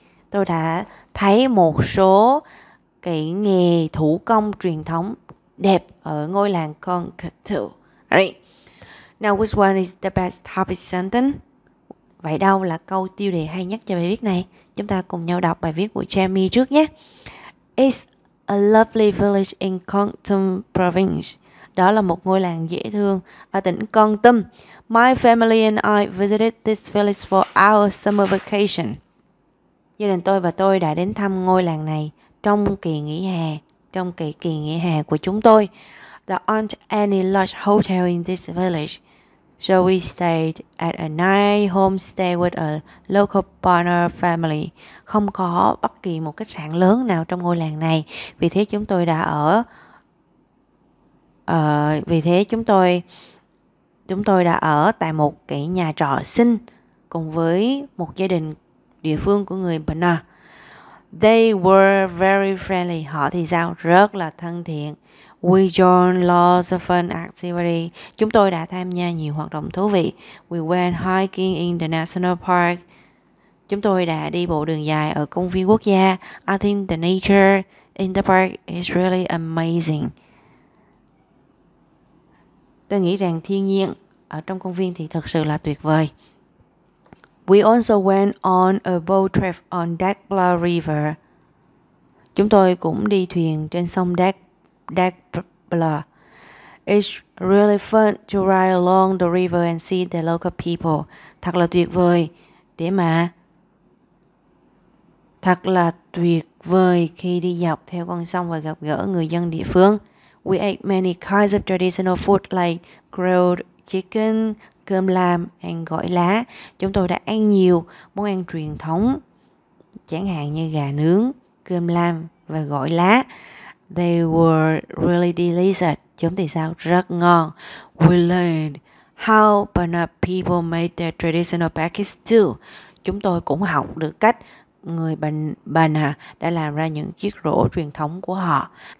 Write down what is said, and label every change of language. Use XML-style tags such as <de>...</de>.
<vi>Tôi đã thấy một số cái nghề thủ công truyền thống đẹp ở ngôi làng Kong Kato.</vi> <en>Now, which one is the best topic sentence?</en> <vi>Vậy đâu là câu tiêu đề hay nhất cho bài viết này? Chúng ta cùng nhau đọc bài viết của Jamie trước nhé.</vi> <en>It's a lovely village in Kong Tum province.</en> <vi>Đó là một ngôi làng dễ thương ở tỉnh Kong Tum.</vi> <en>My family and I visited this village for our summer vacation.</en> <vi>Gia đình tôi và tôi đã đến thăm ngôi làng này trong kỳ nghỉ hè của chúng tôi.</vi> <en>There aren't any large hotel in this village. So we stayed at a nice homestay with a local partner family.</en> <vi>Không có bất kỳ một khách sạn lớn nào trong ngôi làng này. Vì thế chúng tôi đã ở vì thế chúng tôi đã ở tại một cái nhà trọ xinh cùng với một gia đình địa phương của người Pana.</vi> <en>They were very friendly.</en> <vi>Họ thì sao? Rất là thân thiện.</vi> <en>We joined lots of fun activities.</en> <vi>Chúng tôi đã tham gia nhiều hoạt động thú vị.</vi> <en>We went hiking in the national park.</en> <vi>Chúng tôi đã đi bộ đường dài ở công viên quốc gia.</vi> <en>I think the nature in the park is really amazing.</en> <vi>Tôi nghĩ rằng thiên nhiên ở trong công viên thì thật sự là tuyệt vời.</vi> <en>We also went on a boat trip on Dagbla River.</en> <vi>Chúng tôi cũng đi thuyền trên sông Dagbla.</vi> <en>It's really fun to ride along the river and see the local people.</en> <vi>Thật là tuyệt vời để mà. Thật là tuyệt vời khi đi dọc theo con sông và gặp gỡ người dân địa phương.</vi> <en>We ate many kinds of traditional food like grilled chicken, cơm lam, and gỏi lá.</en> <vi>Chúng tôi đã ăn nhiều món ăn truyền thống, chẳng hạn như gà nướng, cơm lam và gỏi lá.</vi> <en>They were really delicious.</en> <vi>Chúng thì sao? Rất ngon.</vi> <en>We learned how Pana people made their traditional baskets too.</en> <vi>Chúng tôi cũng học được cách người Pana đã làm ra những chiếc rổ truyền thống của họ.</vi>